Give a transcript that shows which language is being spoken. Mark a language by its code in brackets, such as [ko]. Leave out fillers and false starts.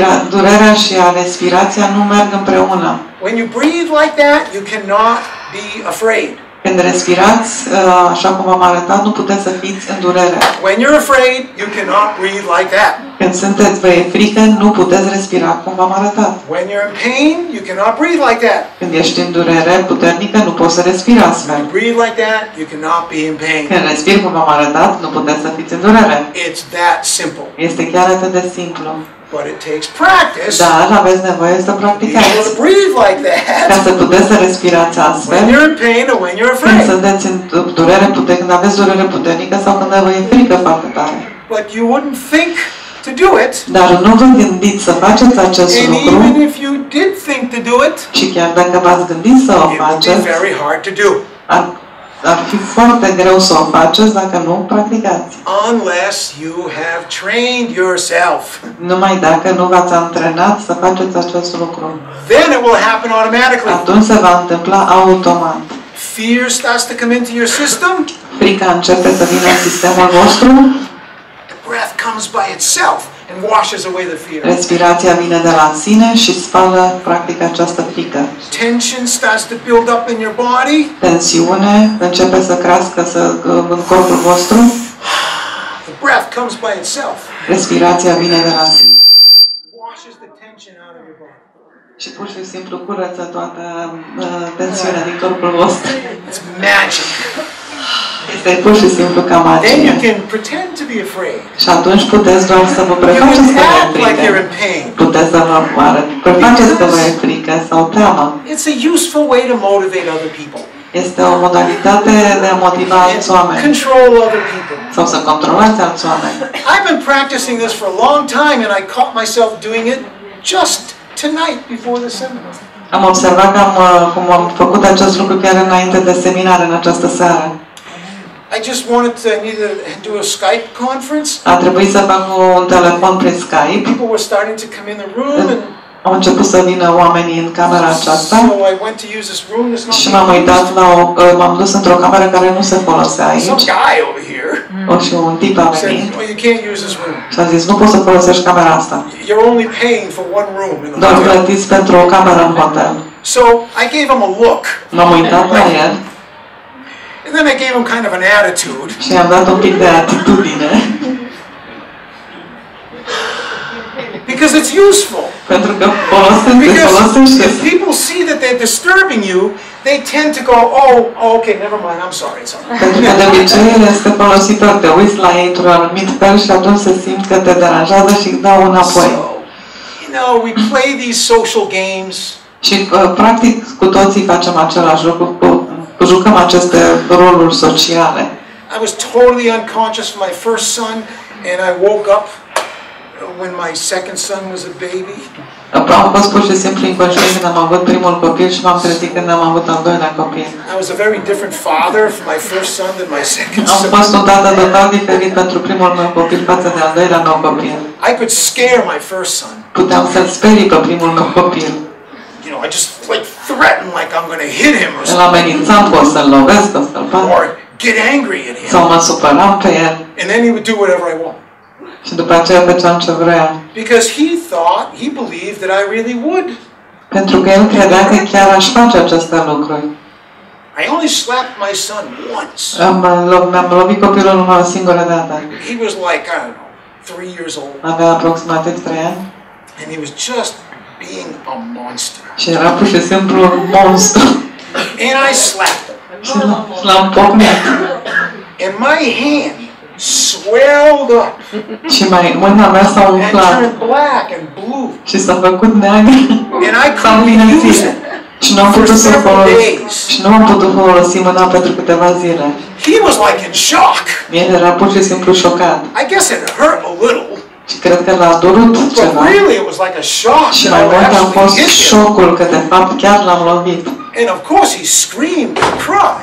[ro] Durerea și a respirația nu merg împreună. [en] When you breathe like that, you cannot be afraid. [ro] Când respirați așa cum am arătat, nu puteți să fiți în durere. [en] When you're afraid, you cannot breathe like that. [ro] Când sunteți vă e frică, nu puteți respira cum am arătat. [en] When you're in pain, you cannot breathe like that. [ro] Când ești în durere puternică, nu poți să respiri astfel. [en] When you breathe like that, you cannot be in pain. [ro] Când respiri cum am arătat, nu puteți să fiți în durere. [en] It's that simple. [ro] Este chiar atât de simplu. [en] But it takes practice. [ro] Dar aveți nevoie să practicați. [en] To breathe like that. [ro] Ca să puteți să respirați astfel. [en] When you're in pain or when you're afraid. [ro] Când sunteți în durere puternică, când aveți durere puternică sau când vă e frică foarte tare. [en] But you wouldn't think to do it. [ro] Dar nu vă gândiți să faceți acest [en] and [ro] lucru. [en] Even if you did think to do it. [ro] Și chiar dacă v-ați gândit să o faceți. [en] Very hard to do. [ro] Ar fi foarte greu să o faceți dacă nu practicați. [en] Unless you have trained yourself. [ro] Numai dacă nu v-ați antrenat să faceți acest lucru. [en] Then it will happen automatically. [ro] Atunci se va întâmpla automat. [en] Fear starts to come into your system. [ro] Frica începe să vină în sistemul vostru. [en] The breath comes by itself and washes away the fear. [ro] Respirația vine de la sine și spală practic această frică. [en] Tension starts to build up in your body. [ro] Tensiune începe să crească în corpul vostru. [en] The breath comes by itself. [ro] Respirația vine de la sine. [en] Washes the tension out of your body. [ro] Și pur și simplu curăță toată tensiunea din corpul vostru. [en] It's magic. [ro] Este pur și simplu ca magie. [en] Then you can pretend to be afraid. [ro] Și atunci puteți doar să vă prefaceți că vă e frică. Puteți să vă prefaceți că vă e frică sau teamă. [en] It's a useful way to motivate other people. [ro] Este o modalitate de a motiva alți oameni. [en] Control other people. [ro] Sau să controlați alți oameni. [en] I've been practicing this for a long time and I caught myself doing it just tonight before the seminar. [ro] Am observat cum am făcut acest lucru chiar înainte de seminar în această seară. [en] I just wanted to do a Skype conference. [ro] A trebuit să fac un telefon prin Skype. [en] People were starting to come in the room and [ro] au început să vină oamenii în camera aceasta. [en] So I went to use this room that's not [ro] și m-am uitat la m-am dus într-o cameră care nu se folosea aici. [en] Some guy over here. [ro] O, și un tip a venit. [en] Said, well, you can't use this room. [ro] Și a zis, nu poți să folosești camera asta. [en] You're only paying for one room in the [ro] doar plătiți pentru o cameră în hotel. [en] So I gave him a look. [ro] M-am uitat la el. [en] And then I gave him kind of an attitude. [ro] Și am dat un pic de atitudine. [en] Because it's useful. [ro] Pentru că folosește. [en] Because if people see that they're disturbing you, they tend to go, oh, okay, never mind. I'm sorry. [ro] Pentru că de obicei este folositor, te uiți la ei într-un anumit fel și atunci se simt că te deranjează și dau înapoi. [en] No, we play these social games. [ro] Și practic cu toții facem același lucru, jucăm aceste roluri sociale. [en] I was totally unconscious for my first son and I woke up when my second son was a baby. [ro] Am fost pur și simplu inconștient când am avut primul copil și m-am trezit când am avut al doilea copil. [en] I was a very different father for my first son than my second son. [ro] Am fost un tată total diferit pentru primul meu copil față de al doilea meu copil. [en] I could scare my first son. [ro] Puteam să-l sperii pe primul meu copil. [en] You know, I just like threaten like I'm going to hit him or something. [ro] El amenințam că o să-l lovesc, o să-l fac. [en] Or get angry at him. [ro] Sau mă supăram pe el. [en] And then he would do whatever I want. [ro] Și după aceea făceam ce vrea. [en] Because he thought, he believed that I really would. [ro] Pentru că el credea că chiar aș face aceste lucruri. [en] I only slapped my son once. [ro] Am lovit copilul numai o singură dată. [en] He was like, I don't know, 3 years old. [ro] Avea aproximativ 3 ani. [en] And he was just being a monster. [ro] Și era pur și simplu un monstru. [en] And I slapped him. [ro] Și l-am pocnit. [en] And my hand swelled up. [ro] Și mai mâna mea s-a umflat. Și s-a făcut neagră. [en] And I couldn't use it. [ro] Și n-am putut să folosesc. Și nu am putut folosi mâna pentru câteva zile. [en] He was like in shock. [ro] El era pur și simplu șocat. [en] I guess it hurt a little. [ro] Și cred că l-a durut ceva. [en] But really it was like a shock. [ro] Și mai mult a fost șocul că de fapt chiar l-am lovit. [en] And of course he screamed and cried.